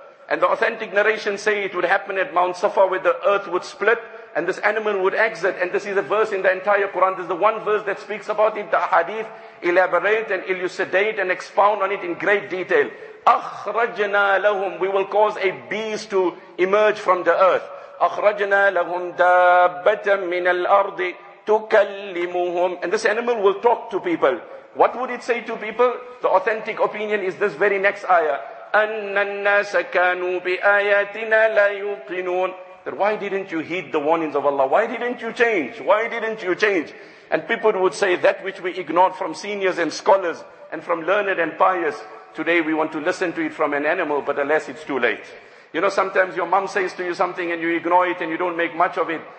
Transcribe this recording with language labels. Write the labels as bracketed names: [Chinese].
[English] And the authentic narration say it would happen at Mount Safa, where the earth would split and this animal would exit. And this is a verse in the entire Quran. This is the one verse that speaks about it. The hadith elaborate and elucidate and expound on it in great detail. [Arabic] أخرجنا لهم, [English] we will cause a beast to emerge from the earth. [Arabic] أخرجنا لهم دابة من الأرض تكلمهم. [English] And this animal will talk to people. What would it say to people? The authentic opinion is this very next ayah. [Arabic] أن الناس كانوا بآياتنا لا يوقنون. [English] That why didn't you heed the warnings of Allah? Why didn't you change? Why didn't you change? And people would say that which we ignored from seniors and scholars and from learned and pious, today we want to listen to it from an animal, but alas, it's too late. You know, sometimes your mom says to you something and you ignore it and you don't make much of it.